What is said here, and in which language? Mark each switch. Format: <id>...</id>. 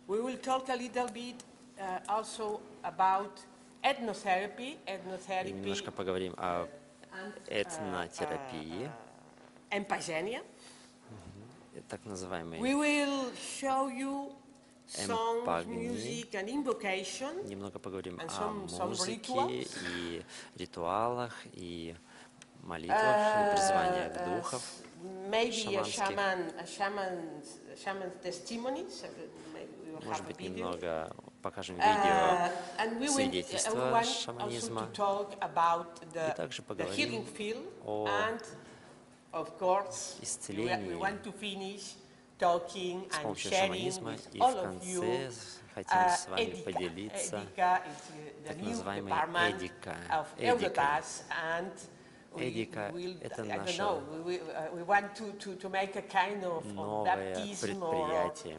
<en>We will talk a little bit also about ethnotherapy.</en> <ru>И немножко поговорим о этнотерапии. Эмпазения. Так называемые.</ru> <en>We will show you songs, music, and invocation.</en> <ru>Немного поговорим о музыке и ритуалах и молитвах и призываниях духов.</ru> <en>Maybe a shaman's testimonies.</en> <ru>Может быть, немного покажем видео свидетельства шаманизма.</ru> <en>To talk about the healing field, and of course, we want to finish talking and</en> <ru>с помощью шаманизма и в конце хотим с вами Эдика. Поделиться Эдика, так называемой Эдика. Эдика. Эдика – это наше новое предприятие.</ru>